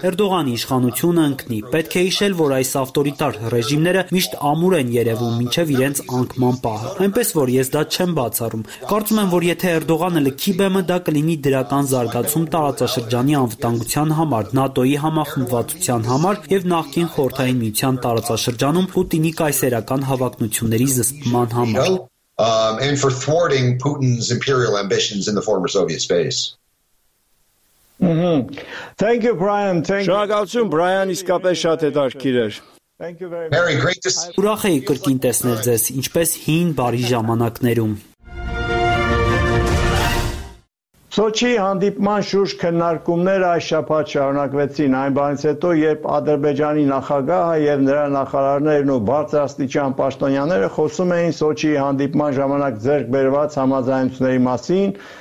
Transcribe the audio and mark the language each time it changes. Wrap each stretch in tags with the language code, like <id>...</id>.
<hy>Էրդողանի իշխանությունը ընկնի։ Պետք է հիշել, որ այս ավտորիտար ռեժիմները միշտ ամուր են երևում մինչև իրենց անկման պահը։ Այնպես որ ես դա չեմ բացառում։ Կարծում եմ, որ եթե Էրդողանը լքի բեմը, դա կլինի դրական զարգացում տարածաշրջանի անվտանգության համար, ՆԱՏՕ-ի համախմբվածության համար և նախկին խորհրդային միության տարածաշրջանում Պուտինի կայսերական հավակնությունների զսպման համար։</hy> <en>And for thwarting Putin's imperial ambitions in the former Soviet space. Thank you, Brian. Thank you.</en> <hy>Շնորհակալություն, Brian, իսկապես շատ հետաքրքիր էր։</hy> <en>Thank you very much.</en> <hy>Ուրախ եի կրկին տեսնել ձեզ, ինչպես հին բարի ժամանակներում։ Սոչի հանդիպման շուրջ քննարկումները այս շաբաթ շարունակվեցին, այն բանից հետո, երբ Ադրբեջանի նախագահը և նրա նախարարներն ու բարձրաստիճան պաշտոնյաները խոսում էին Սոչիի հանդիպման ժամանակ ձեռք բերված համաձայնությունների մասին,</hy>